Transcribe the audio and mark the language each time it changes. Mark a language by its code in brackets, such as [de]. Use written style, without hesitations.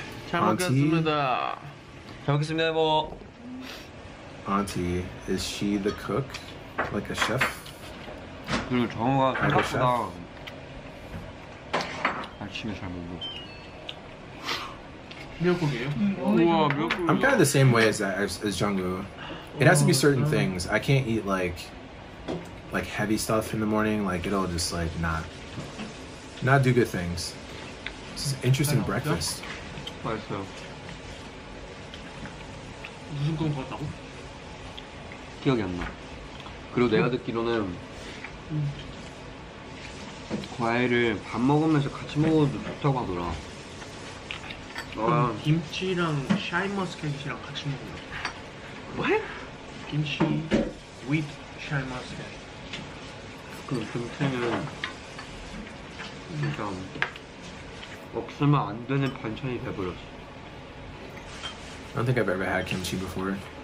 [ko] 잘 먹겠습니다. 잘 먹겠습니다, 여보. [en] Auntie, is she the cook? Like a chef? [ko] 그리고 정우가 생각보다 아침에 잘 먹어. 미역국이에요? 우와, 미역국. [en] I'm kind of the same way as that, as Jungu. It has to be certain things. I can't eat like heavy stuff in the morning. Like it'll just like not do good things. This is an interesting breakfast. [ko] 맛있어요. 무슨 꿈 같다고? 기억이 안 나. 그리고 내가 듣기로는 과일을 밥 먹으면서 같이 먹어도 좋다고 하더라. 그럼 김치랑 샤인머스켓이랑 같이 먹어. 뭐해? 김치 with 샤인머스켓. 그 김치는 진짜 없으면 안 되는 반찬이 돼버렸어. [en] I don't think I've ever had kimchi before.